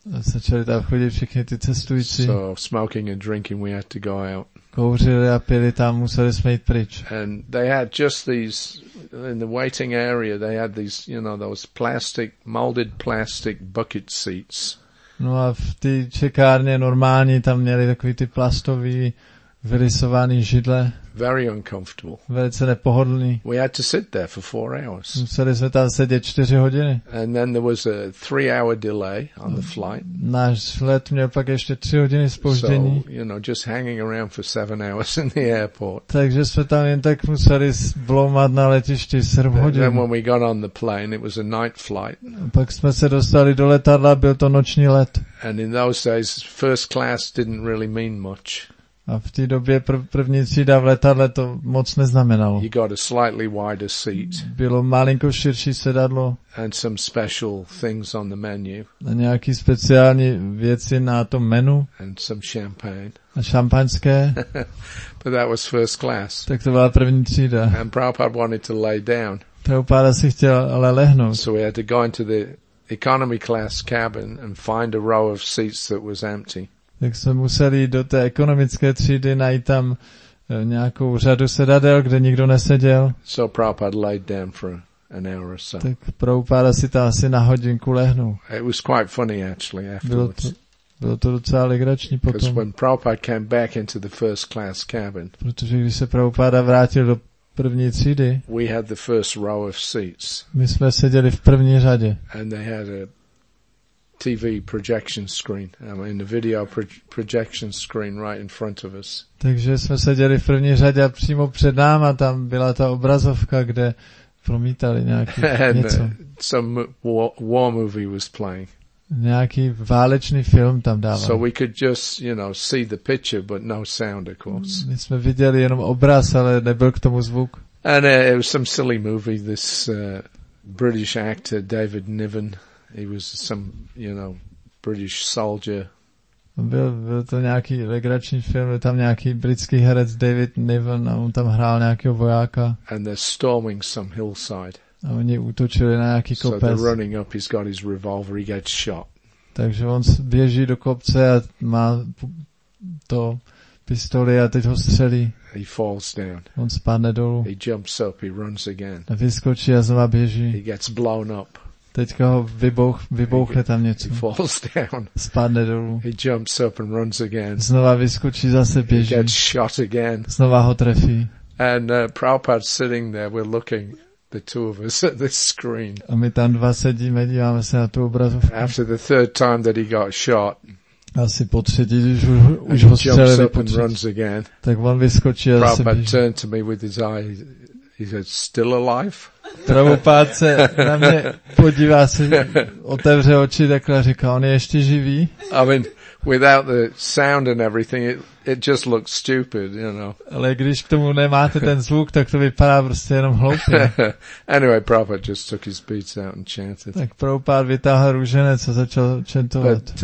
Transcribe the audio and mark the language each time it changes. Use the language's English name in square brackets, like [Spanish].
[Czech] A začali tam chodit všichni ty cestující. [English] So smoking and drinking, we had to go out. [Czech] Kouřili a pili tam, museli jsme jít pryč. [English] And they had just these, in the waiting area, they had these, you know, those plastic, molded plastic bucket seats. [Czech] No a v té čekárně normální tam měli takový ty plastový vyrysovaný židle. [English] Very uncomfortable. [Czech] Velice nepohodlný. [English] We had to sit there for 4 hours. [Czech] Museli jsme tam sedět 4 hodiny. [English] And then there was a 3-hour delay on the flight. [Czech] Náš let měl pak ještě 3 hodiny zpoždění. [English] So, you know, just hanging around for 7 hours in the airport. [Czech] Takže jsme tam jen tak museli bloumat na letišti 7 hodin. [English] Then when we got on the plane, it was a night flight. [Czech] Pak jsme se dostali do letadla, byl to noční let. [English] And in those days, first class didn't really mean much. [Czech] A v té době první třída v letadle to moc neznamenalo. [English] You got a slightly wider seat. [Czech] Bylo malinko širší sedadlo. [English] And some special things on the menu. [Czech] A nějaký speciální věci na tom menu. [English] And some champagne. [Czech] A šampaňské. [English] But that was first class. [Czech] Tak to byla první třída. [English] And Prabhupada wanted to lay down. [Czech] Prabhupada si chtěl ale lehnout. [English] So we had to go into the economy class cabin and find a row of seats that was empty. [Czech] Tak jsme museli do té ekonomické třídy najít tam nějakou řadu sedadel, kde nikdo neseděl. [English] So Prabhupada laid down for an hour or so. [Czech] Tak Prabhupada si tam asi na hodinku lehnul. [English] It was quite funny actually afterwards. [Czech] Bylo to docela legrační potom. [English] Because when Prabhupada came back into the first class cabin. [Czech] Protože když se Prabhupada vrátil do první třídy. [English] We had the first row of seats. [Czech] My jsme seděli v první řadě. [English] And they had a TV projection screen, in the video projection screen right in front of us. [Czech] Takže jsme seděli v první řadě přímo před náma, tam byla ta obrazovka, kde promítali nějaký něco. [English] Some war movie was playing. [Czech] Nějaký válečný film tam dával. [English] So we could just, you know, see the picture, but no sound, of course. [Czech] My jsme viděli jenom obraz, ale nebyl k tomu zvuk. [English] And it was some silly movie, this British actor David Niven. He was some, you know, British soldier. [Czech] Byl to nějaký legrační film, byl tam nějaký britský herec David Niven a on tam hrál nějakého vojáka. [English] And they're storming some hillside. [Czech] A oni útočili na nějaký kopec. [English] So they're running up, he's got his revolver, he gets shot. [Czech] Takže on běží do kopce a má to pistoli a teď ho střelí. [English] He falls down. [Czech] On spadne dolů. [English] He jumps up, he runs again. [Czech] A vyskočí a znova běží. [English] He gets blown up. [Czech] Teďka ho vybouchne tam něco. [English] He falls down. [Czech] Spadne dolů. [English] He jumps up and runs again. [Czech] Znova vyskočí, zase běží. [English] He gets shot again. [Czech] Znova ho trefí. [English] And Prabhupada's sitting there, we're looking, the two of us, at this screen. [Czech] A my tam dva sedíme, díváme se na tu obrazovku. [English] After the third time that he got shot. [Czech] Asi po třetí, když už ho střelili po třetí. [English] Jumps up and runs again. [Czech] Tak on vyskočí a zase běží. [English] Turned to me with his eyes. He said, still alive? [Czech] Prabhupád se na mě podívá, se otevře oči, takhle říká, on je ještě živý. [English] I mean, without the sound and everything, it just looks stupid, you know. [Czech] Ale když k tomu nemáte ten zvuk, tak to vypadá prostě jenom hloupě. [English] Anyway, Prabhupád just took his beads out and chanted. [Czech] Tak Prabhupád vytáhl růženec a začal chantovat.